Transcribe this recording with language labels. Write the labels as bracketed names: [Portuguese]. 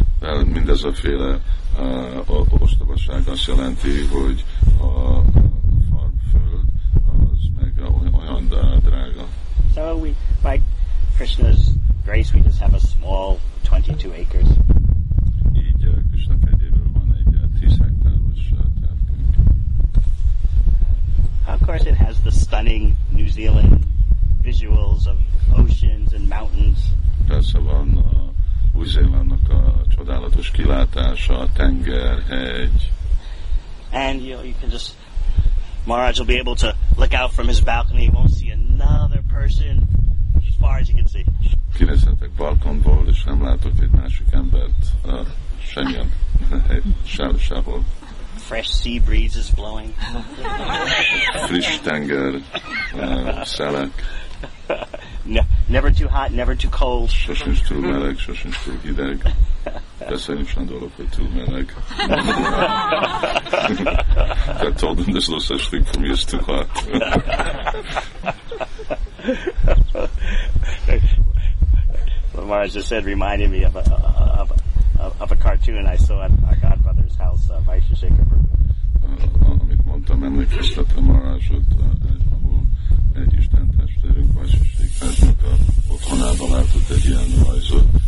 [Hungarian] Well, mindez a féle ostobaság azt jelenti, hogy a farm föld az meg olyan drága. [English] So we, by Krishna's grace, we just have a small 22 acres. [Hungarian] Így Krishna kegyéből van egy 10 hektáros terpünk. [English] Of course it has the stunning New Zealand visuals of oceans and mountains. [Hungarian] Persze van Új-Zélandnak a csodálatos kilátása, a tenger, hegy. [English] And you know, you can just, Maharaj will be able to look out from his balcony, he won't see another person as far as you can see. [Hungarian] Kinézhetek balkonból, és nem látok egy másik embert semmilyen sehol. [English] Fresh sea breeze is blowing. [Hungarian] Friss tenger szelek. [English] Never too hot, never too cold. [Hungarian] Sosincs túl meleg, sosincs túl hideg. Beszélni sem dolog, hogy túl meleg. [English] I told them there's no such thing for me as too hot. What Maharaj just said reminded me of a cartoon I saw at our godmother's house, Vaishyashekhar Prabhu. [Hungarian] Amit mondtam, emlékeztet a Maharajot, ahol egy Isten testvérünk Vaishyashekharnak a otthonában látott egy ilyen rajzot.